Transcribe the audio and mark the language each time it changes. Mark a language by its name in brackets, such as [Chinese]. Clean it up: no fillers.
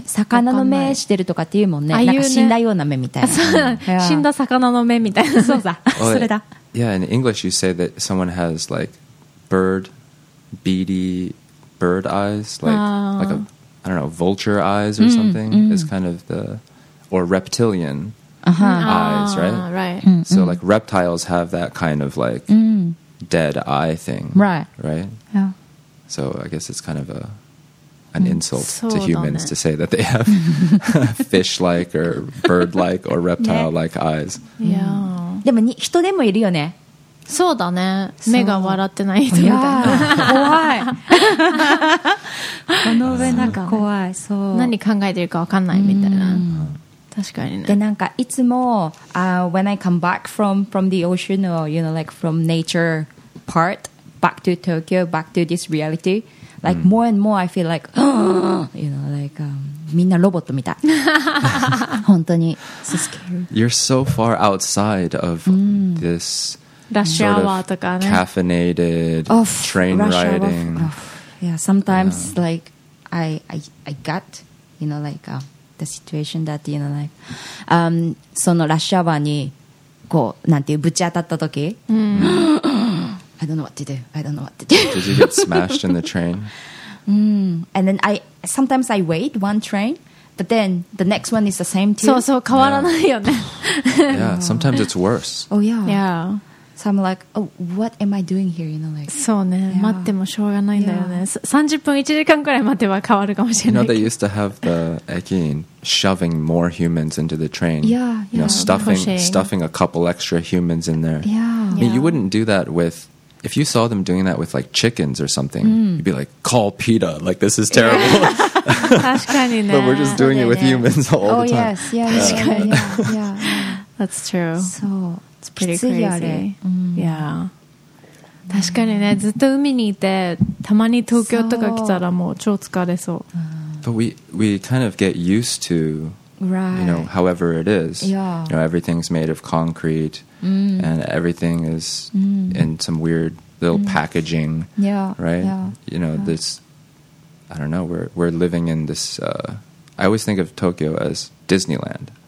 [Japanese] 魚の目してるとかって言うもんね。なんか死んだような目みたいな。死んだ魚の目みたいな。そうだ。それだ。 [English] Yeah, in English you say that someone has like bird, beady bird eyes, like a, I don't know, vulture eyes or something, is kind of the, or reptilian. eyes, right? Right. So, like reptiles have that kind of like dead eye thing, right? Right. Yeah. So I guess it's kind of an insult to humans to say that they have fish-like or bird-like or reptile-like eyes. Yeah. [Japanese] でも人でもいるよね。そうだね。目が笑ってない人みたいな。怖い。この上なんか怖い。そう。何考えてるか分かんないみたいな。確かにね、でなんかいつも、 [English] when I come back from the ocean or you know like from nature part back to Tokyo back to this reality like more and more I feel like you know like [Japanese] みんなロボットみたい本当に [English] so scary you're so far outside of this [Japanese] ラッシュアワーとかね [English] caffeinated off, train riding off, off. yeah sometimes yeah. like I got you know like the situation that you know like [Japanese] そのラッシュアワーにこうなんていうぶち当たった時、 [English] I don't know what to do. I don't know what to do. Did you get smashed in the train? And then sometimes I wait one train, but then the next one is the same too. [Japanese] So, 変わらないよね。 [English] Yeah, sometimes it's worse. Oh, yeah. Yeah. So I'm like, oh, what am I doing here? You know, like, [Japanese] そうね。待ってもしょうがないんだよね。30分、1時間くらい待てば変わるかもしれない。 [English] You know, they used to have the Ekin shoving more humans into the train. Yeah, yeah. You know, stuffing a couple extra humans in there. Yeah. I mean, you wouldn't do that with... If you saw them doing that with like chickens or something, you'd be like, call PETA. Like, this is terrible. Yeah. But we're just doing it with humans all the time. Oh, yes. Yeah, yeah. That's true. So, it's pretty crazy. Yeah. [Japanese] 確かにね、ずっと海にいて、たまに東京とか来たらもう超疲れそう。 [English] But we kind of get used to, you know, however it is. Yeah. You know, everything's made of concrete. And everything is in some weird little packaging, yeah, right? Yeah, you know, this, I don't know, we're living in this, I always think of Tokyo as Disneyland,